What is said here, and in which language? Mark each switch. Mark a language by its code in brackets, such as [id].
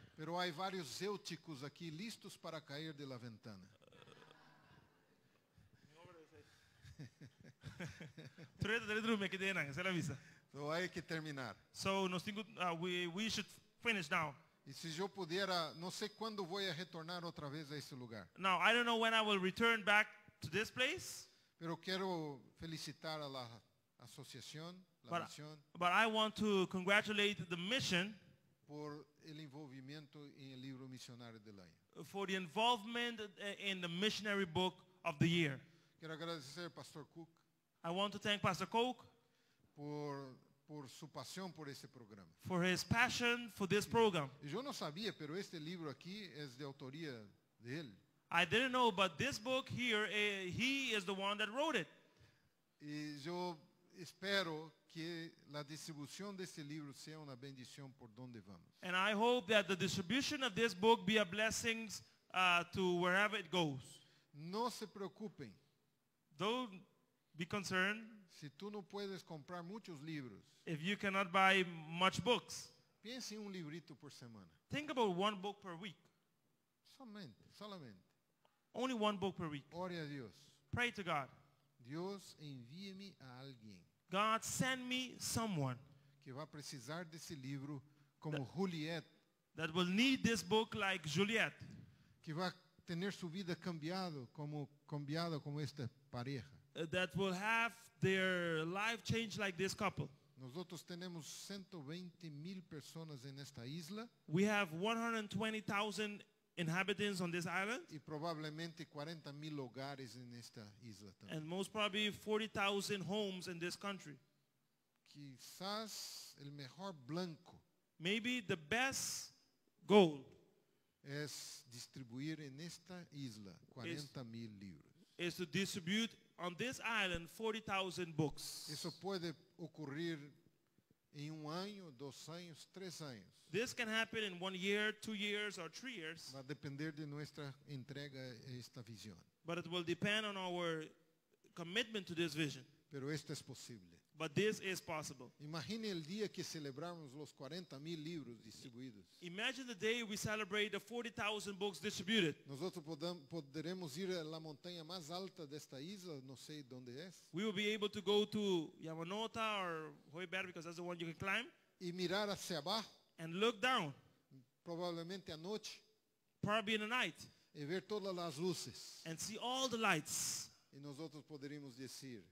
[es] Pero hay varios céuticos aquí listos para caer de la ventana. [en] So [es] hay que terminar. [en] So nos tengo, we should finish now. [es] Y si yo pudiera, no sé cuándo voy a retornar otra vez a este lugar. [en] Now, I don't know when I will return back to this place. [es] Pero quiero felicitar a la asociación, la misión. [en] But I want to congratulate the mission [es] por el envolvimiento en el libro misionario del año. [en] For the involvement in the missionary book of the year. [es] Quiero agradecer a Pastor Cook. [en] I want to thank Pastor Cook [es] por su pasión por este programa. [en] For his passion for this program. [es] Yo no sabía, pero este libro aquí es de autoría de él. [en] I didn't know, but this book here, he is the one that wrote it. [es] Y yo espero que la distribución de este libro sea una bendición por donde vamos. [en] And I hope that the distribution of this book be a blessing to wherever it goes. [es] No se preocupen. [en] Don't be concerned. [es] Si tú no puedes comprar muchos libros. [en] If you cannot buy much books. [es] Piense en un librito por semana. [en] Think about one book per week. [es] Solamente. [en] Only one book per week. [es] Ore a Dios. [en] Pray to God. [es] Dios, envíeme a alguien. [en] God, send me someone [pt] que va a precisar desse livro como Juliet. [en] That will need this book like Juliet. [pt] Que vai ter sua vida cambiado como esta pareja. [en] That will have their life changed like this couple. [pt] Nós outros temos 120,000 pessoas nesta isla. [en] We have 120,000 inhabitants on this island. [pt] E provavelmente 40,000 lugares nesta isla também. [en] And most probably 40,000 homes in this country. [pt] Quizás o melhor blanco. [en] Maybe the best goal. [pt] É distribuir nesta isla 40,000 livros. [en] Is to distribute on this island 40,000 books. [pt] Isso pode ocorrer em 1 ano, 2 anos, 3 anos. [en] This can happen in 1 year, 2 years, or 3 years. [es] Va a depender de nuestra entrega a esta visión. [en] But it will depend on our commitment to this vision. [es] Pero esto es posible. [en] But this is possible. [es] Imagine el día que celebramos los 40,000 libros distribuidos. [en] Imagine the day we celebrate the 40,000 books distributed. [es] Nosotros poderemos ir a la montaña más alta desta isla, no sé dónde es. [en] We will be able to go to Yamanota or Hoiberg because that's the one you can climb. [es] Y mirar hacia abajo. [en] And look down. [es] Probablemente a noche. [en] Probably in the night. [es] Y ver todas las luces. [en] And see all the lights. [es] Y nosotros podríamos decir.